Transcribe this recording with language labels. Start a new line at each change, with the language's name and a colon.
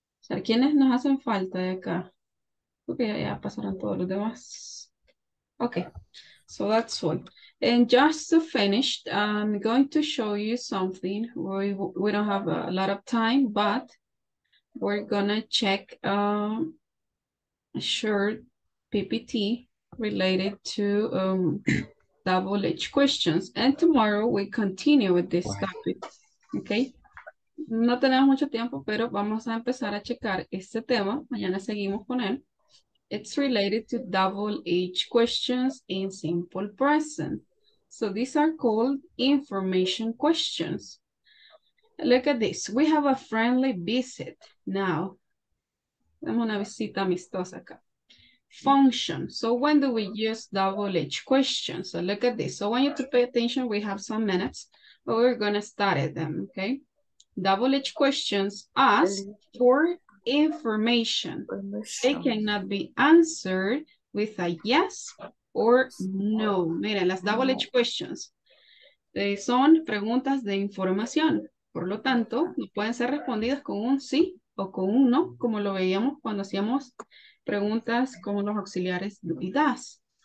Spanish: O sea, ¿quiénes nos hacen falta de acá? Porque ya pasaron todos los demás.
English: Okay, so that's all. And just to finish, I'm going to show you something. We don't have a lot of time, but we're gonna check a short PPT related to double H questions. And tomorrow we continue with this topic, okay?
Spanish: No tenemos mucho tiempo, pero vamos a empezar a checar este tema. Mañana seguimos con él.
English: It's related to double H questions in simple present. So these are called information questions. Look at this. We have a friendly visit. Now,
Spanish: tenemos una visita amistosa acá.
English: Function. So when do we use double H questions? So look at this. So I want you to pay attention. We have some minutes, but we're going to study them, okay? Double H questions ask for information. They cannot be answered with a yes or no.
Spanish: Miren, las double H questions son preguntas de información. Por lo tanto, no pueden ser respondidas con un sí o con un no, como lo veíamos cuando hacíamos preguntas con los auxiliares do y das.